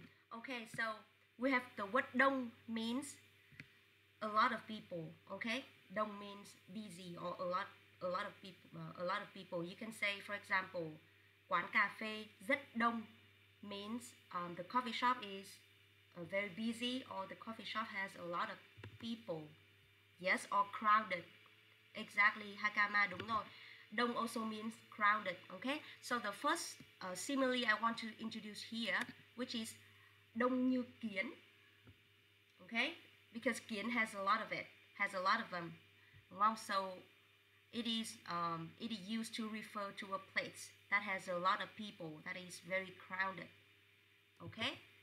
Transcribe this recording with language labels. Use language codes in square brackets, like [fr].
[en] Okay, so we have the word đông means a lot of people, okay? Dong means busy or a lot of people. You can say, for example, [vi] quán cà phê rất đông [en] means the coffee shop is very busy or the coffee shop has a lot of people. Yes, or crowded. Exactly, Hakama, [vi] đúng rồi. [en] Đông also means crowded, okay? So the first simile I want to introduce here, which is [vi] đông như kiến, [en] okay? Because kiến has a lot of it, has a lot of them. Well, so it is used to refer to a place that has a lot of people, that is very crowded, okay?